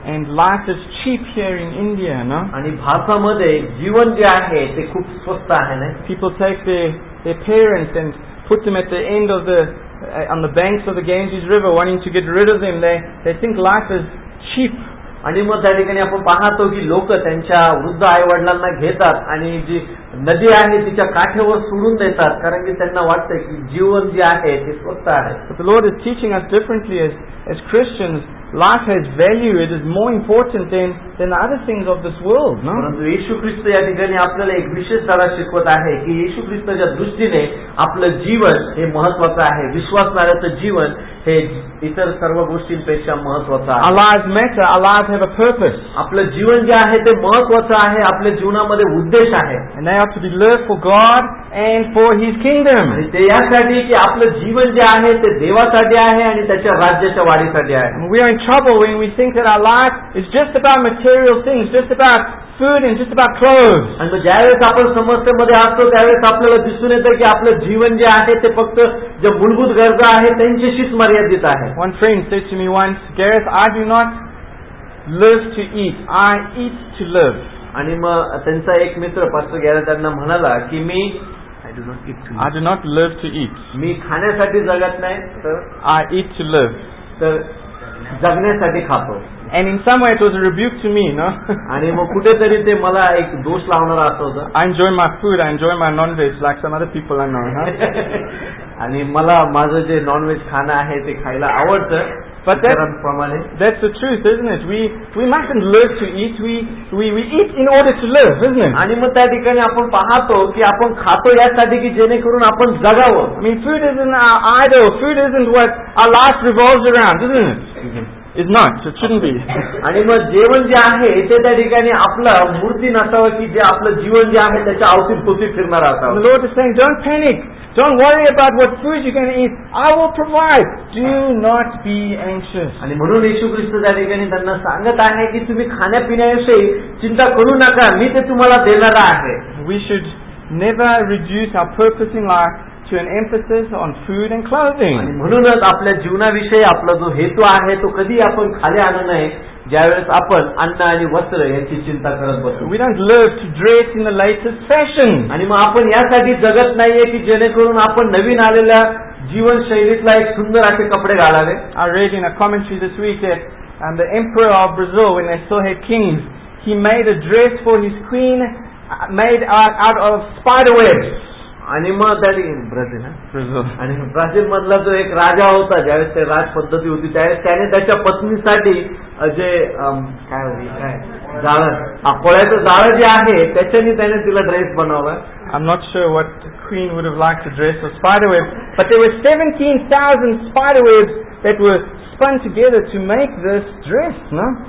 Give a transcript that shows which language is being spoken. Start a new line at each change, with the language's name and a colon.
English: And life is cheap here in India, no?
Marathi: आणि भारतामध्ये जीवन जे आहे ते खूप स्वस्त आहे ना.
English: People take their parents and put them at the end of the on the banks of the Ganges River wanting to get rid of them, they think life is cheap.
Marathi: आणि मग त्या ठिकाणी आपण पाहतो की लोक त्यांच्या वृद्ध आई वडिलांना घेतात आणि जी नदी आहे तिच्या काठेवर सोडून देतात, कारण की त्यांना वाटतं की जीवन जे आहे ते स्वस्त आहे.
English: But the Lord is teaching us differently as Christians. Life has value, it is more important than the other things of this world.
Marathi: परंतु येशू ख्रिस्त या ठिकाणी आपल्याला एक विशेष धडा शिकवत आहे की येशू ख्रिस्ताच्या दृष्टीने आपलं जीवन हे महत्वाचं आहे. विश्वासणाऱ्याचं जीवन हे इतर सर्व गोष्टींपेक्षा महत्वाचं आहे.
English: Our lives matter, our lives have a purpose.
Marathi: आपलं जीवन जे आहे ते महत्वाचं आहे, आपल्या जीवनामध्ये उद्देश आहे.
English: And they have to be lived for God and for His kingdom.
Marathi: ते यासाठी की आपलं जीवन जे आहे ते देवासाठी आहे आणि त्याच्या राज्याच्या वाढीसाठी आहे.
English: We are in trouble when we think that our life is just about material things, just about food and just about clothes. And the
Marathi: ज्यावेळेस आपण समस्येमध्ये असतो त्यावेळेस आपल्याला दिसून येतं की आपलं जीवन जे आहे ते फक्त ज्या मूलभूत गरजा आहेत त्यांच्याशीच मर्यादित आहे.
English: One friend said to me once, Gareth, I do not live to eat, I eat to live.
Marathi: आणि मग त्यांचा एक मित्र पास्टर गॅरेथ त्यांना म्हणाला की मी
English: I do not live to eat.
Marathi: मी खाण्यासाठी जगत नाही तर
English: I eat to live.
Marathi: तर जगण्यासाठी खातो.
English: And in some way it was a rebuke to me, no?
Marathi: आणि मग कुठेतरी ते मला एक दोष लावणारा असं होतं.
English: I enjoy my food, I enjoy my non-veg like some other people I know.
Marathi: आणि मला माझं जे नॉनव्हेज खाणं आहे ते खायला आवडतं.
English: But that's the truth, isn't it? We mustn't live to eat. We eat in order to live, isn't it?
Marathi: आणि मग त्या ठिकाणी आपण पाहतो की आपण खातो यासाठी की जेणेकरून आपण जगावं.
English: I mean, food isn't our idol. Food isn't what our life revolves around, isn't it? It's not. It shouldn't be.
Marathi: आणि मग जेवण जे आहे ते त्या ठिकाणी आपलं मूर्ती नसावं की जे आपलं जीवन जे आहे त्याच्या अवती भोवती फिरणार असावं.
English: The Lord is saying, don't panic. Don't worry about what food you can eat. I will provide. Do not be anxious.
Marathi: आणि म्हणून येशू ख्रिस्त त्या ठिकाणी त्यांना सांगत आहे की तुम्ही खाण्यापिण्याविषयी चिंता करू नका, मी ते तुम्हाला देणार आहे.
English: We should never reduce our purpose in life to an emphasis on food and clothing.
Marathi: आणि म्हणूनच आपल्या जीवनाविषयी आपला जो हेतू आहे तो कधी आपण खाली आणू नये ज्यावेळेस आपण अन्न आणि वस्त्र यांची चिंता करत बसतो.
English: We don't live to dress in the latest fashion.
Marathi: आणि मग आपण यासाठी जगत नाहीये की जेणेकरून आपण नवीन आलेल्या जीवनशैलीतला एक सुंदर असे कपडे घालावे.
English: I read in a commentary this week that and the emperor of Brazil, when they saw his kings, he made a dress for his queen made out of spider webs.
Marathi: आणि मग त्याने ब्राझील आणि Brazil मधला जो एक राजा होता ज्यावेळेस ते राजपद्धती होती त्यावेळेस त्याने त्याच्या पत्नीसाठी जे काय होती काय जाळं कोळ्याचं जाळं जे आहे त्याच्याने त्याने तिला ड्रेस बनवला.
English: I'm not sure what the queen would have liked to dress a spider web, but there were 17,000 spider webs that were spun together to make this dress, no?